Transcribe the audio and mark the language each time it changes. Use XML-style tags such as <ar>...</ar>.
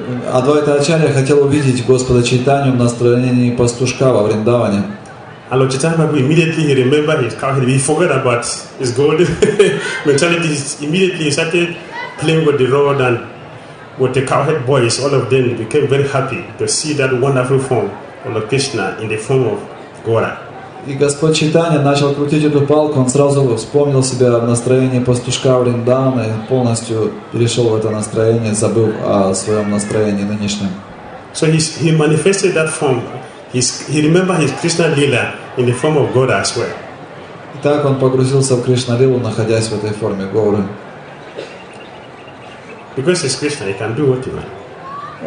<ru>Адвайта Ачарья хотел увидеть Господа Чайтанью в настроении пастушка во Вриндаване.</ru> <en>And Lord Chaitanya Mahaprabhu immediately he remembered his cowherd, he forgot about his gold mentality. Immediately he started playing with the rod and with the cowherd boys, all of them became very happy to see that wonderful form of Lord Krishna in the form of Gaura.</en> <ru>И Господь Чайтанья начал крутить эту палку, он сразу вспомнил себя в настроении пастушка Вриндавана и полностью перешел в это настроение, забыл о своем настроении нынешнем.</ru> <en>So he manifested that form. He remembered his Krishna lila in the form of Gaura as well.</en> <ru>Итак, он погрузился в Кришна лилу, находясь в этой форме Гауры.</ru> <en>Because he's Krishna, he can do what he wants.</en>